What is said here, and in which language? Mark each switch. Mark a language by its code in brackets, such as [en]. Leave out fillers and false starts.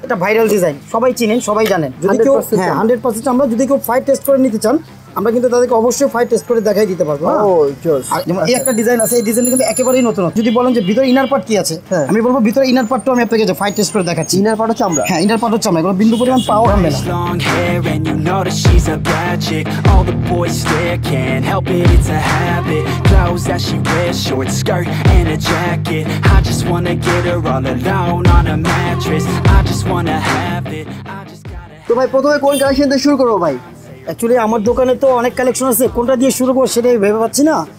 [bn] এটা viral design, সবাই চিনেন, সবাই জানেন। যদি কেউ 100% চামড়া, যদি কেউ ফাইভ টেস্ট করে নিতে চান, আমরা কিন্তু তাদেরকে অবশ্যই ফাইভ টেস্ট করে দেখাই দিতে পারবো। এই একটা ডিজাইন আছে, এই ডিজাইন কিন্তু একেবারেই নতুন। যদি বলেন যে ভিতরে ইনার পার্ট কি আছে, আমি বলবো ভিতরে ইনার পার্ট আমি আপনাকে যে ফাইভ টেস্ট করে দেখাচ্ছি। ইনার পার্ট হচ্ছে আমরা, হ্যাঁ ইনার পার্ট হচ্ছে আমরা, এগুলো বিন্দু পরিমাণ পাওয়ার হবে না। [en] Magic. All the boys there can't help it, it's a habit. Clothes that she wears, short skirt and a jacket. I just wanna get her all alone on a mattress. I just wanna have it. I just gotta. [bn] তো ভাই প্রথমে কোন collection দিয়ে শুরু করব ভাই? Actually আমার দোকানে তো অনেক কালেকশন আছে, কোনটা দিয়ে শুরু করবো সেটাই ভেবে পাচ্ছি না।